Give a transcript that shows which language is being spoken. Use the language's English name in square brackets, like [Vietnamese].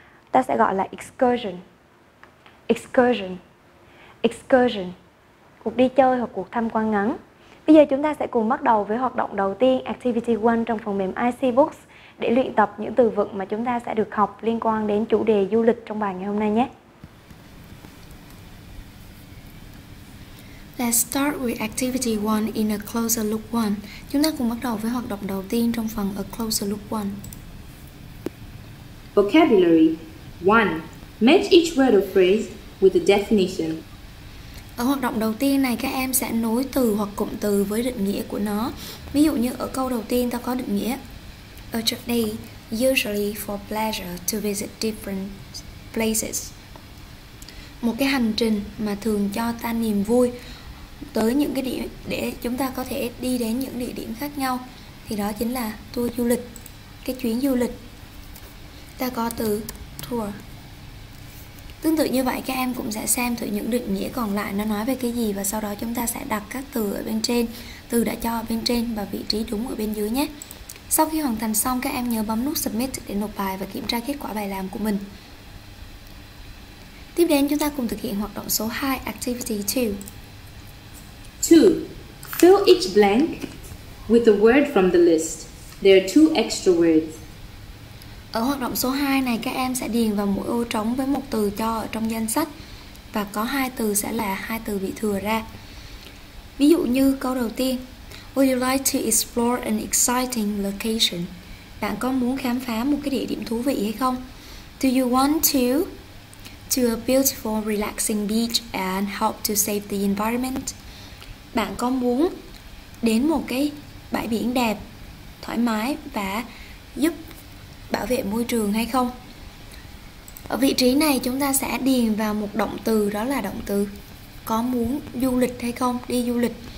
[Vietnamese] Ta sẽ gọi là excursion. Excursion. Excursion. Cuộc đi chơi hoặc cuộc tham quan ngắn. Bây giờ chúng ta sẽ cùng bắt đầu với hoạt động đầu tiên, activity 1 trong phần mềm IC Books, để luyện tập những từ vựng mà chúng ta sẽ được học liên quan đến chủ đề du lịch trong bài ngày hôm nay nhé. [English] Let's start with activity 1 in A Closer Look 1. [Vietnamese] Chúng ta cùng bắt đầu với hoạt động đầu tiên trong phần A Closer Look 1. [English] Vocabulary 1. Match each word or phrase with a definition. [Vietnamese] Ở hoạt động đầu tiên này, các em sẽ nối từ hoặc cụm từ với định nghĩa của nó. Ví dụ như ở câu đầu tiên ta có định nghĩa [English] A journey usually for pleasure to visit different places. [Vietnamese] Một cái hành trình mà thường cho ta niềm vui tới những cái điểm để chúng ta có thể đi đến những địa điểm khác nhau, thì đó chính là tour du lịch, cái chuyến du lịch. Ta có từ tour. Tương tự như vậy, các em cũng sẽ xem thử những định nghĩa còn lại nó nói về cái gì, và sau đó chúng ta sẽ đặt các từ ở bên trên, từ đã cho ở bên trên và vị trí đúng ở bên dưới nhé. Sau khi hoàn thành xong, các em nhớ bấm nút submit để nộp bài và kiểm tra kết quả bài làm của mình. Tiếp đến chúng ta cùng thực hiện hoạt động số 2, activity 2. 2. [English] Fill each blank with a word from the list. There are two extra words. [Vietnamese] Ở hoạt động số 2 này, các em sẽ điền vào mỗi ô trống với một từ cho ở trong danh sách, và có hai từ sẽ là hai từ bị thừa ra. Ví dụ như câu đầu tiên, [English] Would you like to explore an exciting location? [Vietnamese] Bạn có muốn khám phá một cái địa điểm thú vị hay không? [English] Do you want to a beautiful relaxing beach and help to save the environment? [Vietnamese] Bạn có muốn đến một cái bãi biển đẹp, thoải mái và giúp bảo vệ môi trường hay không? Ở vị trí này chúng ta sẽ điền vào một động từ, đó là động từ có muốn du lịch hay không, đi du lịch.